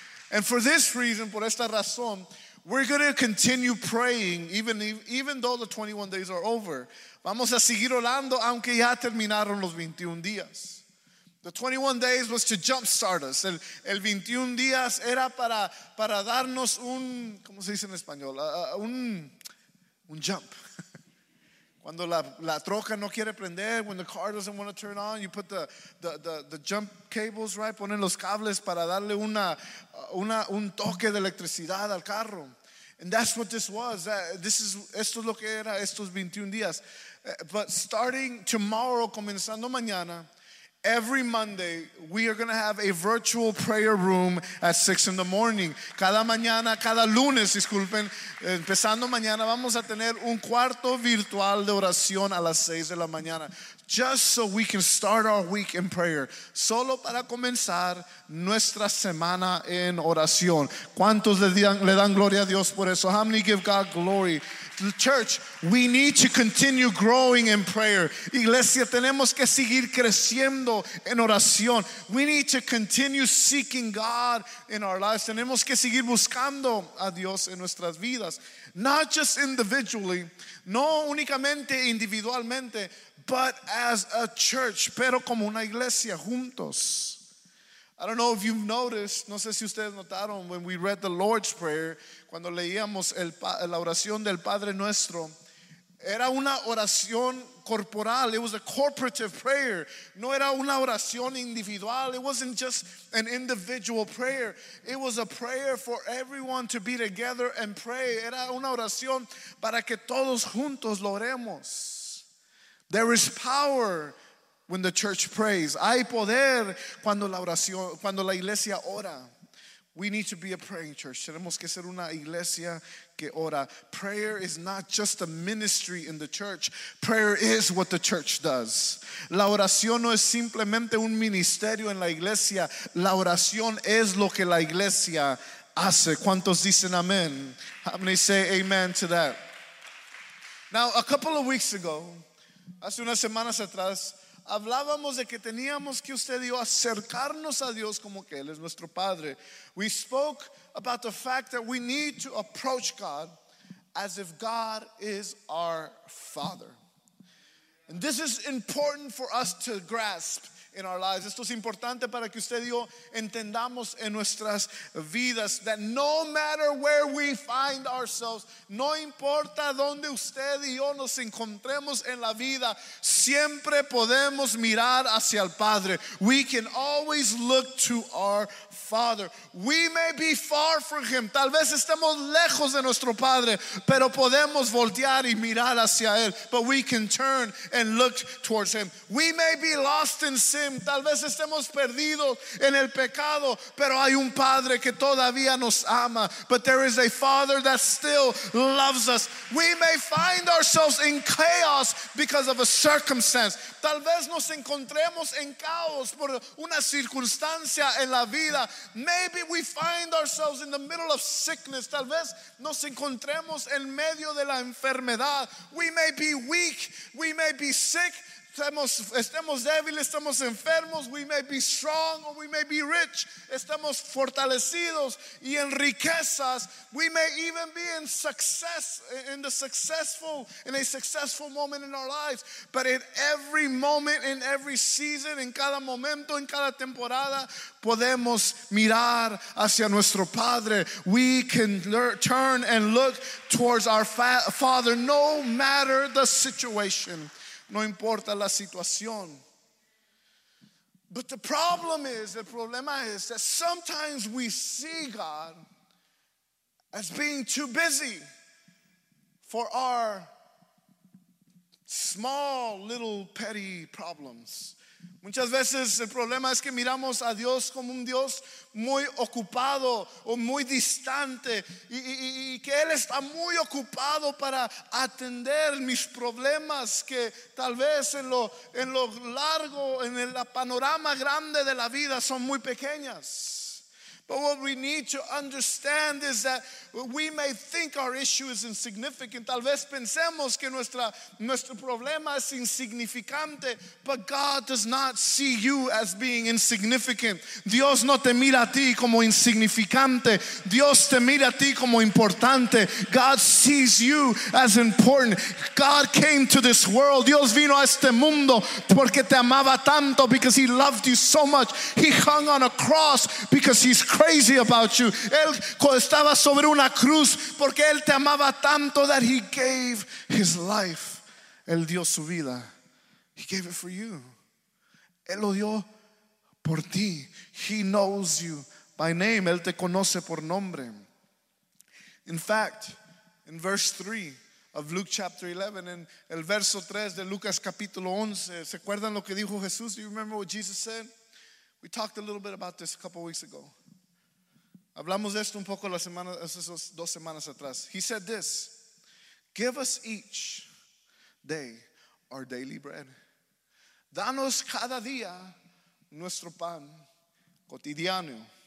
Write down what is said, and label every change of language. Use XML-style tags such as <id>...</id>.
<en>And for this reason,</en> <es>por esta razón,</es> <en>we're going to continue praying even though the 21 days are over.</en> <es>Vamos a seguir orando aunque ya terminaron los 21 días.</es> <en>The 21 days was to jumpstart us.</en> <es>El 21 días era para darnos un, ¿cómo se dice en español? Un jump. Cuando la troca no quiere prender,</es> <en>when the car doesn't want to turn on, you put the jump cables, right?</en> <es>Ponen los cables para darle un toque de electricidad al carro.</es> <en>And that's what this was.</en> <es>Esto es lo que era estos 21 días.</es> <en>But starting tomorrow,</en> <es>comenzando mañana,</es> <en>every Monday, we are going to have a virtual prayer room at 6 in the morning.</en> <es>Cada mañana, cada lunes, disculpen, empezando mañana, vamos a tener un cuarto virtual de oración a las 6 de la mañana.</es> <en>Just so we can start our week in prayer.</en> <es>Solo para comenzar nuestra semana en oración. ¿Cuántos le dan gloria a Dios por eso?</es> <en>How many give God glory? Church, we need to continue growing in prayer.</en> <es>Iglesia, tenemos que seguir creciendo en oración.</es> <en>We need to continue seeking God in our lives.</en> <es>Tenemos que seguir buscando a Dios en nuestras vidas.</es> <en>Not just individually,</en> <es>no únicamente individualmente,</es> <en>but as a church,</en> <es>pero como una iglesia, juntos.</es> <en>I don't know if you've noticed,</en> <es>no sé si ustedes notaron,</es> <en>when we read the Lord's Prayer,</en> <es>cuando leíamos la oración del Padre Nuestro, era una oración corporal.</es> <en>It was a corporative prayer.</en> <es>No era una oración individual.</es> <en>It wasn't just an individual prayer. It was a prayer for everyone to be together and pray.</en> <es>Era una oración para que todos juntos lo oremos.</es> <en>There is power when the church prays.</en> <es>Hay poder cuando la iglesia ora.</es> <en>We need to be a praying church.</en> <es>Tenemos que ser una iglesia que ora.</es> <en>Prayer is not just a ministry in the church. Prayer is what the church does.</en> <es>La oración no es simplemente un ministerio en la iglesia. La oración es lo que la iglesia hace. ¿Cuántos dicen amén?</es> <en>How many say amen to that? Now, a couple of weeks ago,</en> <es>hace unas semanas atrás, hablábamos de que teníamos que usted y yo acercarnos a Dios como que Él es nuestro Padre.</es> <en>We spoke about the fact that we need to approach God as if God is our Father. And this is important for us to grasp in our lives.</en> <es>Esto es importante para que usted y yo entendamos en nuestras vidas</es> <en>that no matter where we find ourselves,</en> <es>no importa donde usted y yo nos encontremos en la vida, siempre podemos mirar hacia el Padre.</es> <en>We can always look to our Father. We may be far from Him.</en> <es>Tal vez estemos lejos de nuestro Padre, pero podemos voltear y mirar hacia Él.</es> <en>But we can turn and look towards Him. We may be lost in sin.</en> <es>Tal vez estemos perdidos en el pecado, pero hay un Padre que todavía nos ama.</es> <en>But there is a Father that still loves us. We may find ourselves in chaos because of a circumstance.</en> <es>Tal vez nos encontremos en caos por una circunstancia en la vida.</es> <en>Maybe we find ourselves in the middle of sickness.</en> <es>Tal vez nos encontremos en medio de la enfermedad.</es> <en>We may be weak, we may be sick.</en> <es>Estamos débiles, estamos enfermos.</es> <en>We may be strong or we may be rich.</en> <es>Estamos fortalecidos y en riquezas.</es> <en>We may even be in success, in a successful moment in our lives. But in every moment, in every season,</en> <es>en cada momento, en cada temporada, podemos mirar hacia nuestro Padre.</es> <en>We can turn and look towards our Father, no matter the situation.</en> <es>No importa la situación.</es> <en>But the problem is,</en> <es>el problema es,</es> <en>that sometimes we see God as being too busy for our small little petty problems.</en> <es>Muchas veces el problema es que miramos a Dios como un Dios muy ocupado o muy distante y que Él está muy ocupado para atender mis problemas que tal vez en lo largo, en el panorama grande de la vida son muy pequeñas.</es> <en>But what we need to understand is that we may think our issue is insignificant.</en> <es>Tal vez pensemos que nuestro problema es insignificante,</es> <en>but God does not see you as being insignificant.</en> <es>Dios no te mira a ti como insignificante. Dios te mira a ti como importante.</es> <en>God sees you as important. God came to this world.</en> <es>Dios vino a este mundo porque te amaba tanto,</es> <en>because He loved you so much. He hung on a cross because He's crazy about you.</en> <es>Él estaba sobre una cruz porque Él te amaba tanto,</es> <en>that He gave His life</en> <es>Él dio su vida.</es> <en>He gave it for you.</en> <es>Él lo dio por ti.</es> <en>He knows you by name.</en> <es>Él te conoce por nombre.</es> <en>In fact, in verse 3 of Luke chapter 11,</en> <es>en el verso 3 de Lucas capítulo 11, ¿se acuerdan lo que dijo Jesús?</es> <en>Do you remember what Jesus said? We talked a little bit about this a couple of weeks ago.</en> <es>Hablamos de esto un poco la semana, esas dos semanas atrás.</es> <en>He said this: give us each day our daily bread.</en> <es>Danos cada día nuestro pan cotidiano.</es>